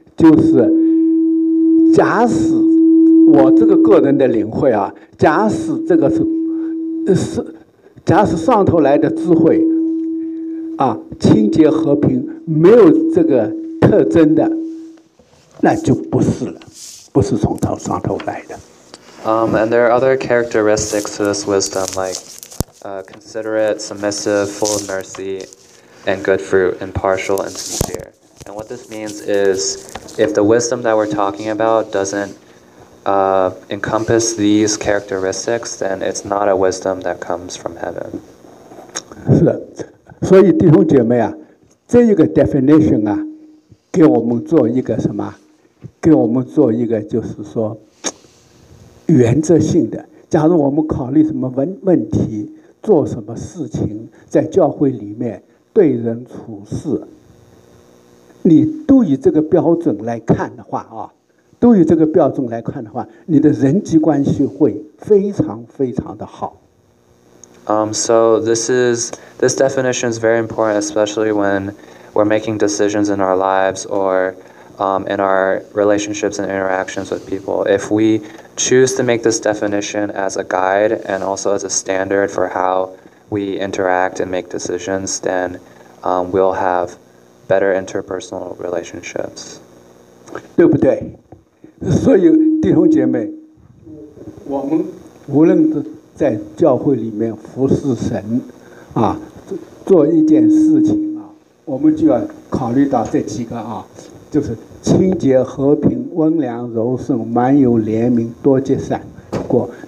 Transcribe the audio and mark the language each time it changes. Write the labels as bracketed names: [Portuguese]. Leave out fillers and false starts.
[Chinese] 就是假使我这个个人的领会啊，假使这个是假使上头来的智慧啊，清洁和平没有这个特征的，那就不是了，不是从头上头来的。 [English] And there are other characteristics to this wisdom, like considerate, submissive, full of mercy, and good fruit, impartial, and sincere. And what this means is, if the wisdom that we're talking about doesn't encompass these characteristics, then it's not a wisdom that comes from heaven. [Chinese] 是的，所以弟兄姐妹啊，这一个 definition 啊，给我们做一个什么？给我们做一个就是说原则性的。假如我们考虑什么问题，做什么事情，在教会里面对人处事，你都以这个标准来看的话啊，都以这个标准来看的话，你的人际关系会非常非常的好。 [English] So this definition is very important, especially when we're making decisions in our lives or in our relationships and interactions with people. If we choose to make this definition as a guide and also as a standard for how we interact and make decisions, then we'll have better interpersonal relationships. [Chinese] 对不对？所以弟兄姐妹，我们无论在教会里面服侍神啊，做一件事情啊，我们就要考虑到这几个啊，就是清洁、和平、温良、柔顺、满有怜悯、多结善果。